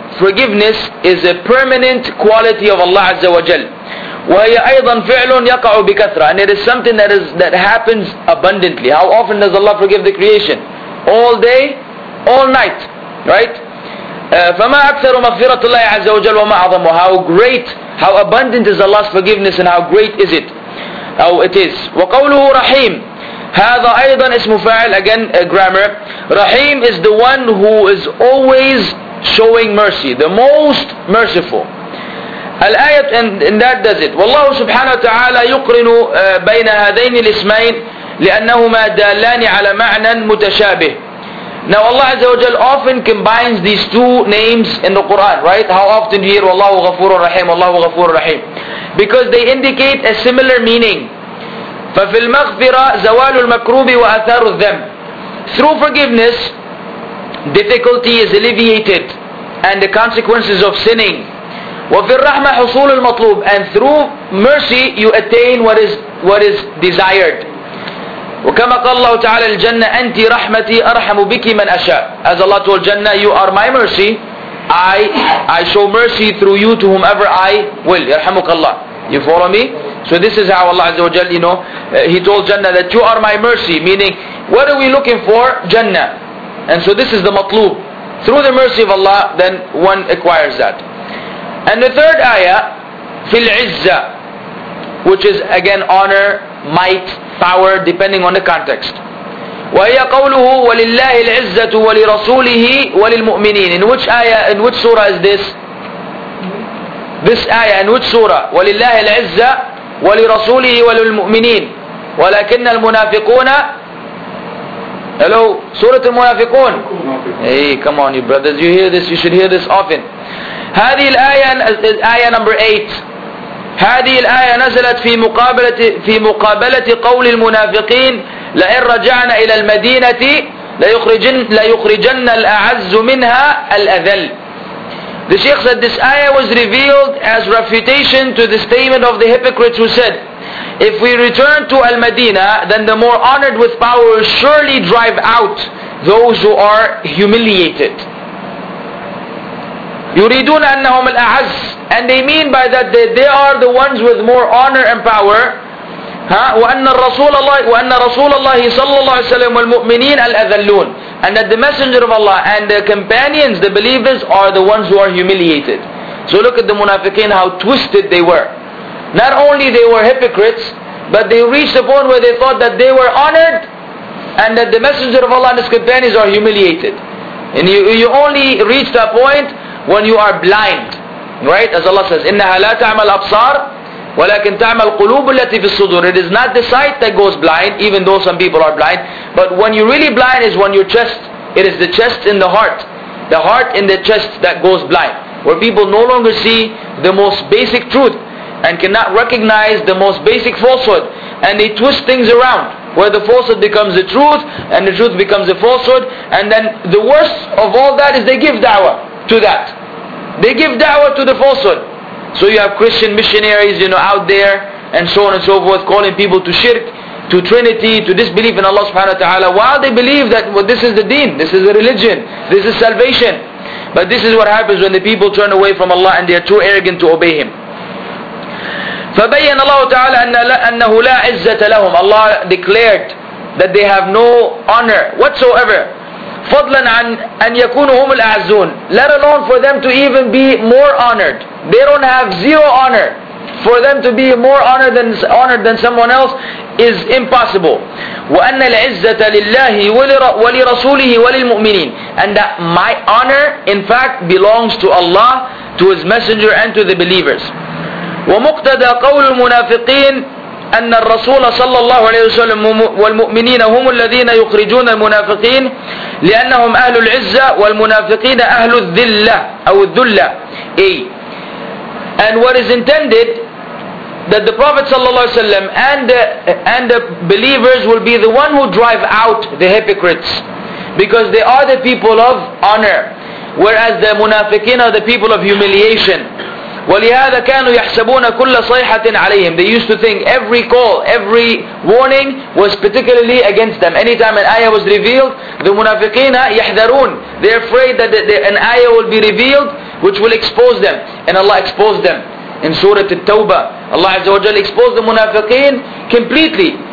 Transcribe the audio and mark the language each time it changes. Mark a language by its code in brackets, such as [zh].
[en] Forgiveness is a permanent quality of Allah عز وجل. [ar] وهي أيضا فعل يقع بكثرة. [en] And it is something that happens abundantly. How often does Allah forgive the creation? All day, all night, right? [ar] فما أكثر مغفرة الله عز وجل وما أعظمه. [en] How great, how abundant is Allah's forgiveness and how great is it? How it is. [ar] وقوله رحيم. هذا أيضا اسم فاعل. [en] Again, grammar. رحيم is the one who is always showing mercy, the most merciful. الآية, and that does it. [ar] والله سبحانه وتعالى يقرن بين هذين الاسمين لأنهما دالان على معنى متشابه. [en] Now Allah عز وجل often combines these two names in the Quran, right? How often you hear [ar] والله غفور رحيم, والله غفور رحيم, [en] because they indicate a similar meaning. [ar] ففي المغفرة زوال المكروب وأثار الذنب. [en] Through forgiveness, difficulty is alleviated and the consequences of sinning. [ar] وفي الرحمة حصول المطلوب, [en] and through mercy you attain what is desired. [ar] وكما قال الله تعالى الجنة أنت رحمتي أرحم بك من أشاء. [en] As Allah told Jannah, you are my mercy, I show mercy through you to whomever I will. [ar] يرحمك الله. [en] You follow me? So this is how Allah Azza wa Jal, you know, He told Jannah that you are my mercy, meaning what are we looking for? Jannah. And so this is the matloob. Through the mercy of Allah, then one acquires that. And the third ayah, fil izza, which is again honor, might, power, depending on the context. [ar] وَهِيَ قَوْلُهُ وَلِلَّهِ الْعِزَّةُ وَلِرَسُولِهِ وَلِلْمُؤْمِنِينَ. [en] In which ayah, in which surah is this? This ayah, in which surah? [ar] وَلِلَّهِ الْعِزَّةُ وَلِرَسُولِهِ وَلِلْمُؤْمِنِينَ وَلَكِنَّ الْمُنَافِقُونَ. [en] Hello, Surah Al-Munafiqun. Hey, come on you brothers, you hear this, you should hear this often. [ar] هذه الآية, [en] ayah number 8. [ar] هذه الآية نزلت في مقابلة قول المنافقين لئن رجعنا إلى المدينة ليخرجن الأعز منها الأذل. [en] The Shaykh said this ayah was revealed as refutation to the statement of the hypocrites who said, if we return to Al-Madinah, then the more honored with power will surely drive out those who are humiliated. [ar] يريدون أنهم الأعز. [en] And they mean by that they are the ones with more honor and power. [ar] وَأَنَّ رَسُولَ اللَّهِ صَلَّى اللَّهِ وَسَلَّمُ وَالْمُؤْمِنِينَ الْأَذَلُّونَ. [en] And that the messenger of Allah and the companions, the believers, are the ones who are humiliated. So look at the munafiqeen, how twisted they were. Not only they were hypocrites, but they reached a point where they thought that they were honored and that the messenger of Allah and his companions are humiliated. And you only reach that point when you are blind. Right? As Allah says, [ar] إِنَّهَا لَا تَعْمَ الْأَبْصَارِ وَلَكِنْ تَعْمَ الْقُلُوبُ الَّتِي فِي الصُّدُورِ. [en] It is not the sight that goes blind, even though some people are blind. But when you're really blind is when your chest, it is the chest in the heart. The heart in the chest that goes blind. Where people no longer see the most basic truth and cannot recognize the most basic falsehood. And they twist things around, where the falsehood becomes the truth, and the truth becomes the falsehood. And then the worst of all that is they give da'wah to that. They give da'wah to the falsehood. So you have Christian missionaries, you know, out there, and so on and so forth, calling people to shirk, to trinity, to disbelief in Allah subhanahu wa ta'ala, while they believe that, well, this is the deen, this is a religion, this is salvation. But this is what happens when the people turn away from Allah and they are too arrogant to obey Him. [ar] فَبَيَّنَ اللَّهُ تَعَالَى أَنَّهُ لَا عِزَّةَ لَهُمْ. [en] Allah declared that they have no honor whatsoever. [ar] فضلاً عن أن يكونوا هم الأعزون. [en] Let alone for them to even be more honored. They don't have zero honor. For them to be more honored than someone else is impossible. [ar] وأن العزة لله ولرسوله وللمؤمنين. [en] And that my honor, in fact, belongs to Allah, to His Messenger, and to the believers. [ar] ومقتدى قول المنافقين أن الرسول صلى الله عليه وسلم والمؤمنين هم الذين يخرجون المنافقين لأنهم أهل العزة والمنافقين أهل الذلة أو الذلة. A. [en] And what is intended that the Prophet صلى الله عليه وسلم and the believers will be the one who drive out the hypocrites because they are the people of honor, whereas the munafiqin are the people of humiliation. [ar] ولهذا كانوا يحسبون كل صيحة عليهم. [en] They used to think every call, every warning was particularly against them. Anytime an ayah was revealed, the munafiqin [ar] يحذرون. [en] They're afraid that an ayah will be revealed which will expose them. And Allah exposed them in Surah At-Tawbah. Allah Azza wa Jal exposed the munafiqin completely.